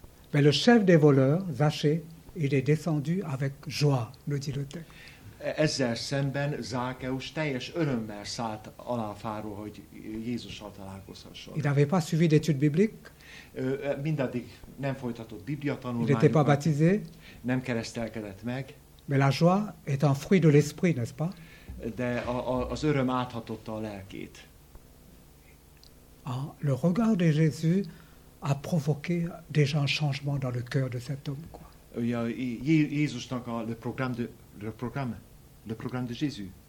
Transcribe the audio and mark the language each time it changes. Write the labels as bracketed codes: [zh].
[fr] Mais le chef des voleurs, Zaché, il est descendu avec joie, le dit le texte. [hu] Ezzel szemben Zákeus teljes örömmel szállt alá a fáról, hogy Jézussal találkozhasson. [fr] Il n'avait pas suivi d'études bibliques. [hu] Mindaddig nem folytatott Biblia tanulmányokat. [fr] Il n'était pas baptisé. [hu] Nem keresztelkedett meg. [fr] Mais la joie est un fruit de l'esprit, n'est-ce pas? [hu] De az öröm áthatotta a lelkét. [fr] Le regard de Jésus a provoqué déjà un changement dans le cœur de cet homme. Ja, [hu] Jézusnak a [fr] le programme de Jésus.